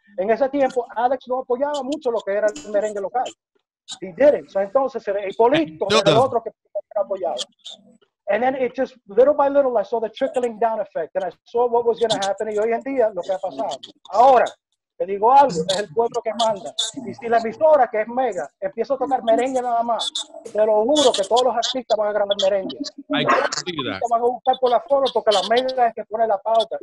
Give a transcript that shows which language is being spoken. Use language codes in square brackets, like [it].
[es] En ese tiempo, Alex no apoyaba mucho lo que era el merengue local. [en] He didn't. [es] So entonces, el Polito era el otro que apoyaba. [en] And then it just, little by little, I saw the trickling down effect. And I saw what was going to happen. [es] Y hoy en día, lo que ha pasado. Ahora, te digo algo, es el pueblo que manda. Y si la emisora, que es Mega, empieza a tocar merengue nada más, te lo juro que todos los artistas van a grabar merengue. [en] I can see that. [es] Van a buscar por la foto porque la Mega es que pone la pauta.